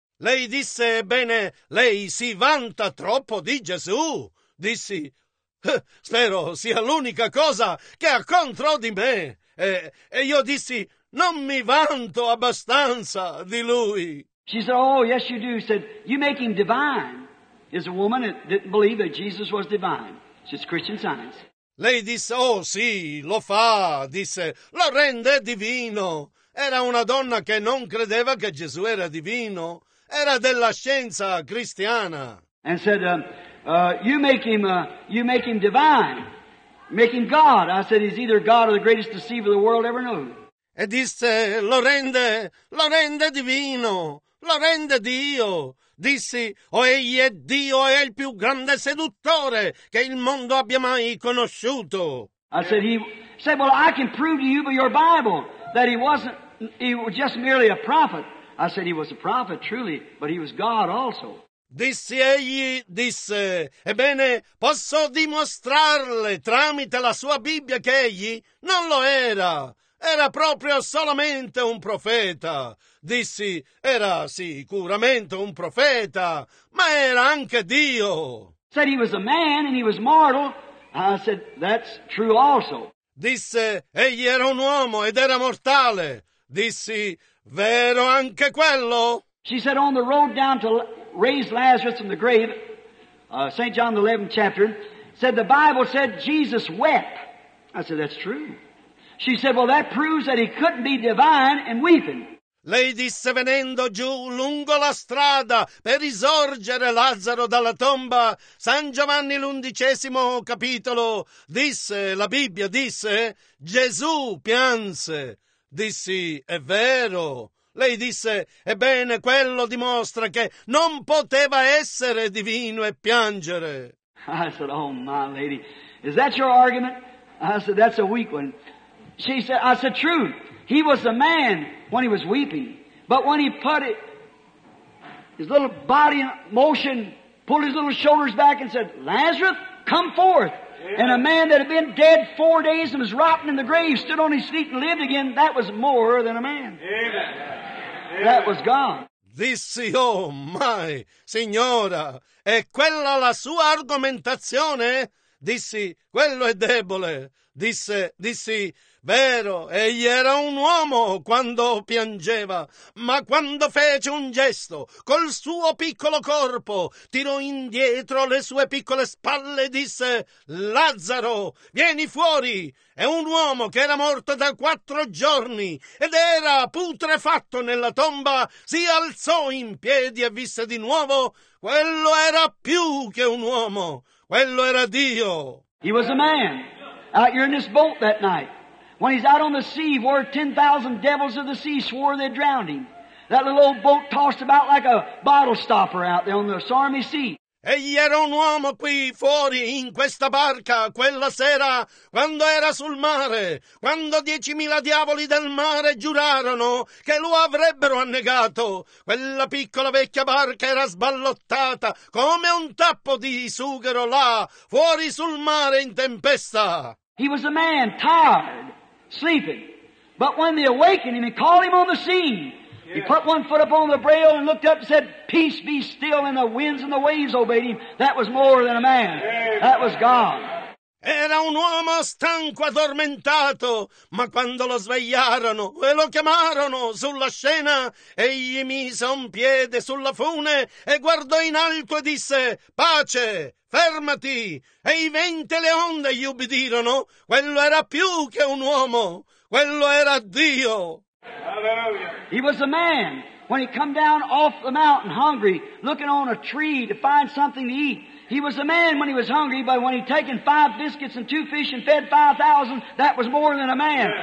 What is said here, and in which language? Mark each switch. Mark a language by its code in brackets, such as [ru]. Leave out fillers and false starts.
[it] Lei disse, "Bene, lei si vanta troppo di Gesù." Dissi, "Spero sia l'unica cosa che ha contro di me." E io dissi, "Non mi vanto abbastanza di lui." [en] She said, "Oh, yes you do." She said, "You make him divine." As a woman that didn't believe that Jesus was divine. It's just Christian Science. [it] Lei disse, "Oh sì, lo fa," disse, "lo rende divino." Era una donna che non credeva che Gesù era divino. Era della scienza cristiana. [en] And said, you make him divine. Make him God. I said, "He's either God or the greatest deceiver the world ever known." [it] E disse, lo rende divino. Lo rende Dio. Dissi, o egli è Dio, è il più grande seduttore che il mondo abbia mai conosciuto. [en] I said, well, I can prove to you by your Bible that he was just merely a prophet. I said, he was a prophet, truly, but he was God also. [it] Disse, ebbene, posso dimostrarle tramite la sua Bibbia che egli non lo era. Era proprio solamente un profeta. Dissi, era sicuramente un profeta, ma era anche Dio. [en] Said he was a man and he was mortal. I said, that's true also. [it] Disse, egli era un uomo ed era mortale. Dissi, vero anche quello. [en] She said, on the road down to raise Lazarus from the grave, St. John the 11th chapter, said the Bible said Jesus wept. I said, that's true. She said, well, that proves that he couldn't be divine and weeping. [it] Lei disse venendo giù lungo la strada per risorgere Lazzaro dalla tomba. San Giovanni l'undicesimo capitolo disse, la Bibbia disse, Gesù pianse. Dissi, è vero. Lei disse, ebbene, quello dimostra che non poteva essere divino e piangere. [en] I said, oh my lady, is that your argument? I said, that's a weak one. She said, I said, truth, he was a man when he was weeping, but when he put it, his little body in motion, pulled his little shoulders back and said, Lazarus, come forth. Yeah. And a man that had been dead 4 days and was rotting in the grave, stood on his feet and lived again, that was more than a man. Yeah. Yeah. That was God. [it] Dissi, [en] oh my, [it] signora, è quella la sua argomentazione? Dissi, quello è debole. Dissi, vero, egli era un uomo quando piangeva, ma quando fece un gesto col suo piccolo corpo, tirò indietro le sue piccole spalle e disse, Lazzaro, vieni fuori, è un uomo che era morto da 4 giorni ed era putrefatto nella tomba, si alzò in piedi e visse di nuovo, quello era più che un uomo, quello era Dio. [en] He was a man out here in this boat that night. When he's out on the sea where 10,000 devils of the sea swore they'd drowned him. That little old boat tossed about like a bottle stopper out there on the stormy sea. [it] Egli era un uomo qui fuori in questa barca quella sera quando era sul mare, quando 10,000 diavoli del mare giurarono che lo avrebbero annegato. Quella piccola vecchia barca era sballottata come un tappo di sughero là, fuori sul mare in tempesta. [en] He was a man tired. Sleeping. But when they awakened him, he called him on the sea. Yeah. He put one foot upon the braille and looked up and said, peace be still, and the winds and the waves obeyed him. That was more than a man. That was God. [it] Era un uomo stanco, addormentato, ma quando lo svegliarono e lo chiamarono sulla scena, egli mise un piede sulla fune e guardò in alto e disse, pace, fermati, e i venti e le onde gli ubbidirono, quello era più che un uomo, quello era Dio. [en] Hallelujah. He was a man, when he come down off the mountain hungry, looking on a tree to find something to eat. He was a man when he was hungry, but when he'd taken 5 biscuits and 2 fish and fed 5,000, that was more than a man.